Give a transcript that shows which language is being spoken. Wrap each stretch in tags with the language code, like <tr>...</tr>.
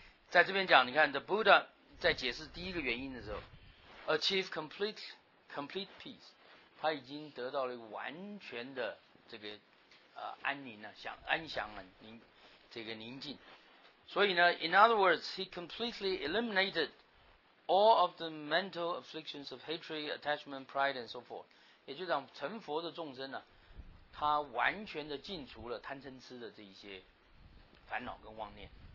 <zh>在这边讲，你看 ，The Buddha 在解释第一个原因的时候 ， achieve complete peace，他已经得到了一个完全的这个。安宁啊，想安详啊，这个宁静。</zh> <en>所以呢，in other words， he completely eliminated all of the mental afflictions of hatred, attachment, pride, and so forth。</en> <zh>也就讲，成佛的众生呢、啊，他完全的净除了贪嗔痴的这一些烦恼跟妄念。</zh>